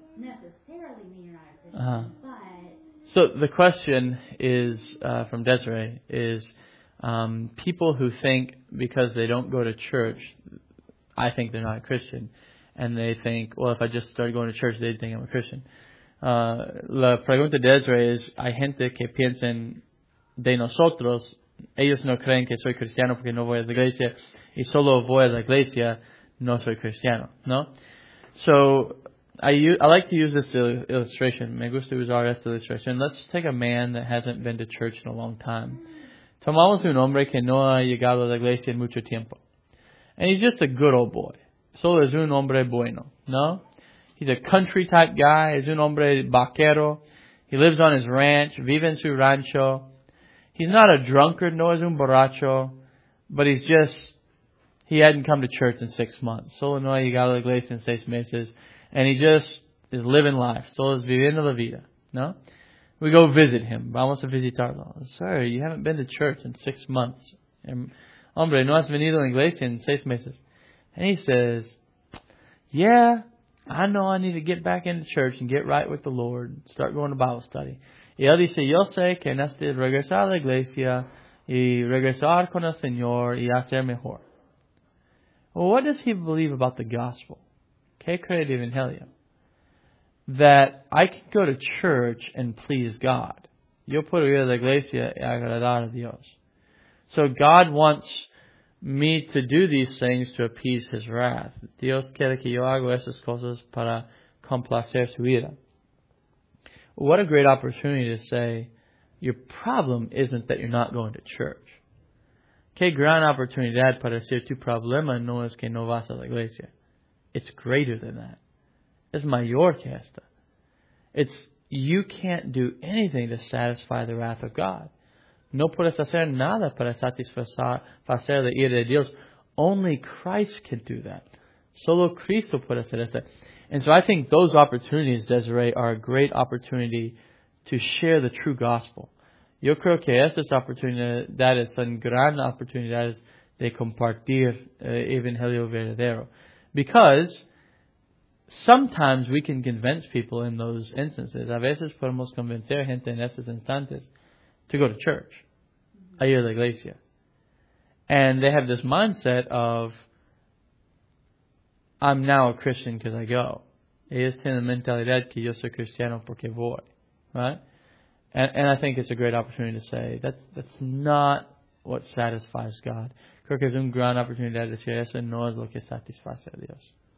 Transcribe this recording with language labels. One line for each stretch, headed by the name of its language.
English: necessarily mean you're not a Christian, uh-huh. but... So the question is, from Desiree, is people who think because they don't go to church, I think they're not a Christian. And they think, well, if I just started going to church, they'd think I'm a Christian.
Spanish: La pregunta de Desiree es, hay gente que piensan de nosotros, ellos no creen que soy cristiano porque no voy a la iglesia, y solo voy a la iglesia, no soy cristiano, ¿no?
English: So, I like to use this illustration.
Spanish: Me gusta usar esta ilustración.
English: Let's take a man that hasn't been to church in a long time.
Spanish: Tomamos un hombre que no ha llegado a la iglesia en mucho tiempo.
English: And he's just a good old boy.
Spanish: Solo es un hombre bueno, ¿no?
English: He's a country type guy.
Spanish: Es un hombre vaquero.
English: He lives on his ranch.
Spanish: Vive en su rancho.
English: He's not a drunkard.
Spanish: No es un borracho.
English: But he's just... He hadn't come to church in 6 months.
Spanish: Solo no ha llegado a la iglesia en 6 meses.
English: And he just is living life.
Spanish: Solo es viviendo la vida. ¿No?
English: We go visit him.
Spanish: Vamos a visitarlo.
English: Sir, you haven't been to church in 6 months. And,
Spanish: hombre, no has venido a la iglesia en 6 meses.
English: And he says, yeah, I know I need to get back into church and get right with the Lord. And start going to Bible study.
Spanish: Y él dice, yo sé que necesito regresar a la iglesia y regresar con el Señor y hacer mejor.
English: Well, what does he believe about the gospel?
Spanish: ¿Qué cree el Evangelio?
English: That I can go to church and please God.
Spanish: Yo puedo ir a la iglesia y agradar a Dios.
English: So God wants me to do these things to appease his wrath.
Spanish: Dios quiere que yo haga esas cosas para complacer su ira.
English: What a great opportunity to say, your problem isn't that you're not going to church.
Spanish: Qué gran oportunidad para decir tu problema no es que no vas a la iglesia.
English: It's greater than that.
Spanish: Es mayor que esta.
English: It's you can't do anything to satisfy the wrath of God.
Spanish: No puedes hacer nada para satisfacer la ira de Dios.
English: Only Christ can do that.
Spanish: Solo Cristo puede hacer esto.
English: And so I think those opportunities, Desiree, are a great opportunity to share the true gospel.
Spanish: Yo creo que esta oportunidad es una gran oportunidad de compartir el Evangelio verdadero.
English: Because sometimes we can convince people in those instances.
Spanish: A veces podemos convencer gente en esos instantes
English: to go to church,
Spanish: a ir a la iglesia.
English: And they have this mindset of, I'm now a Christian because I go.
Spanish: Ellos tienen la mentalidad que yo soy cristiano porque voy.
English: Right? And I think it's a great opportunity to say, that's not what satisfies God.
Spanish: Creo que es un gran oportunidad de decir eso, no es lo que satisface a Dios.